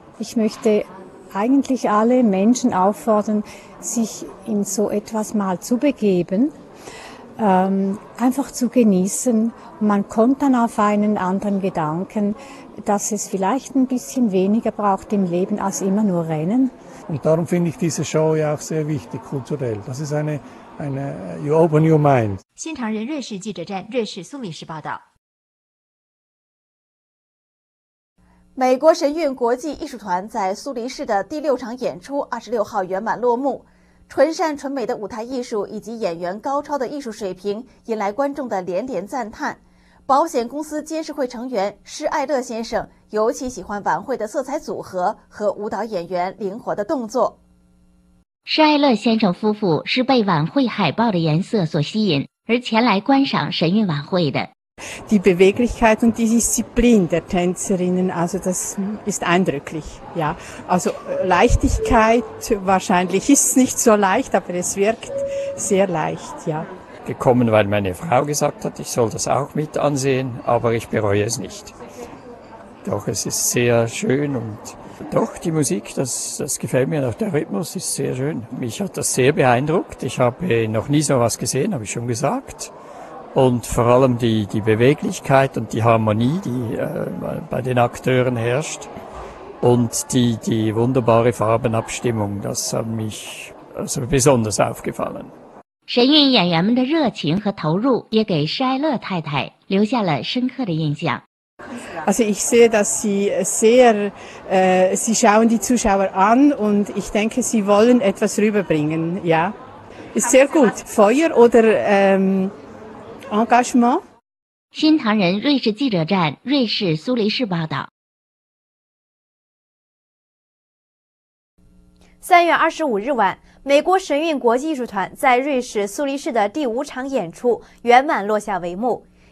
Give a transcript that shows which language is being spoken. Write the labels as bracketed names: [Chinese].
[German] Ich möchte eigentlich alle Menschen auffordern, sich in so etwas mal zu begeben, einfach zu genießen. Man kommt dann auf einen anderen Gedanken, dass es vielleicht ein bisschen weniger braucht im Leben als immer nur Rennen. Und darum finde ich diese Show ja auch sehr wichtig, kulturell. Das ist eine [English] you open your mind. [Chinese] 新唐人瑞士记者站瑞士苏黎世报道。美国神韵国际艺术团在苏黎世的第六场演出26号圆满落幕，纯善纯美的舞台艺术以及演员高超的艺术水平引来观众的连连赞叹。保险公司监事会成员施艾乐先生尤其喜欢晚会的色彩组合和舞蹈演员灵活的动作。施艾乐先生夫妇是被晚会海报的颜色所吸引而前来观赏神韵晚会的。 [German] Die Beweglichkeit und die Disziplin der Tänzerinnen, also das ist eindrücklich, ja. Also Leichtigkeit wahrscheinlich ist nicht so leicht, aber es wirkt sehr leicht, ja. Gekommen, weil meine Frau gesagt hat, ich soll das auch mit ansehen, aber ich bereue es nicht. Doch, es ist sehr schön und doch, die Musik, das gefällt mir, auch der Rhythmus ist sehr schön. Mich hat das sehr beeindruckt. Ich habe noch nie so was gesehen, habe ich schon gesagt. Und vor allem die Beweglichkeit und die Harmonie, die bei den Akteuren herrscht und die wunderbare Farbenabstimmung, das hat mich also besonders aufgefallen. [Chinese] 神韵演员们的热情和投入也给施艾乐太太留下了深刻的印象。 [German] Also ich sehe, dass sie sehr, sie schauen die Zuschauer an und ich denke, sie wollen etwas rüberbringen, ja. Ist sehr gut. Feuer oder Engagement? [Chinese] 新唐人瑞士记者站, 瑞士苏黎世报道。 3月25 日晚, 美国神韵国际艺术团在瑞士苏黎世的第五场演出圆满落下帷幕。